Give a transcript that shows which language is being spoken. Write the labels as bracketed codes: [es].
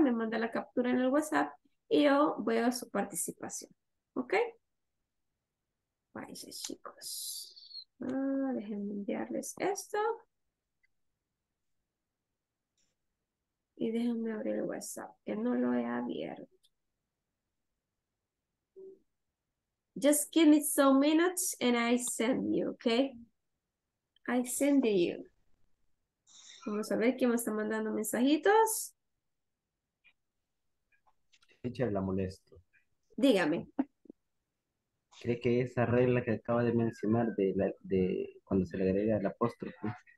[es] Me manda la captura en el WhatsApp y yo veo su participación, ¿ok? Vaya, chicos. Déjenme enviarles esto. Y déjenme abrir el WhatsApp, que no lo he abierto. [en] Just give me some minutes and I send you, okay? I send you. [es] Vamos a ver quién me está mandando mensajitos. Richard, la molesto. Dígame. ¿Cree que esa regla que acaba de mencionar de cuando se le agrega el apóstrofe?